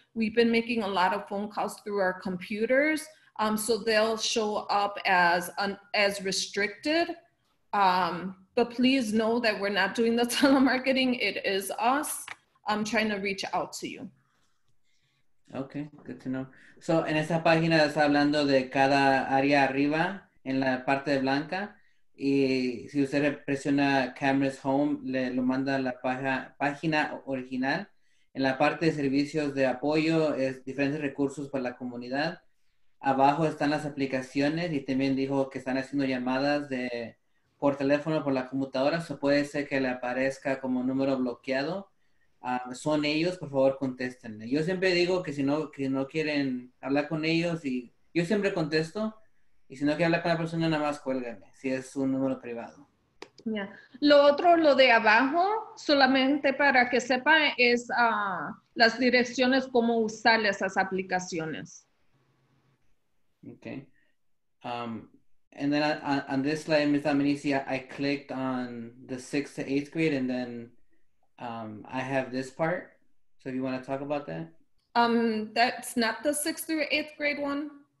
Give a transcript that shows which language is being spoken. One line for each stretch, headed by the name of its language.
English: We've been making a lot of phone calls through our computers. So they'll show up as restricted. But please know that we're not doing the telemarketing. It is us trying to reach out to you. Okay, good to know.
Spanish: So en esa página está hablando de cada área arriba en la parte blanca. Y si usted presiona Cameras Home, le lo manda a la página original. En la parte de servicios de apoyo, es diferentes recursos para la comunidad. Abajo están las aplicaciones y también dijo que están haciendo llamadas de por teléfono, por la computadora. O puede ser que le aparezca como número bloqueado. Son ellos, por favor, contéstenle. Yo siempre digo que si no quieren hablar con ellos, y yo siempre contesto. Y si no quiere hablar con la persona, nada más cuélgame, si es un número privado.
English: Yeah.
Spanish: Lo otro, lo de abajo, solamente para que sepa, es las direcciones, cómo usar esas aplicaciones.
English: Ok. And then on this slide, Ms. Dominici, I clicked on the 6th to 8th grade, and then I have this part. So if you want to talk about that? That's not the 6th through 8th grade one.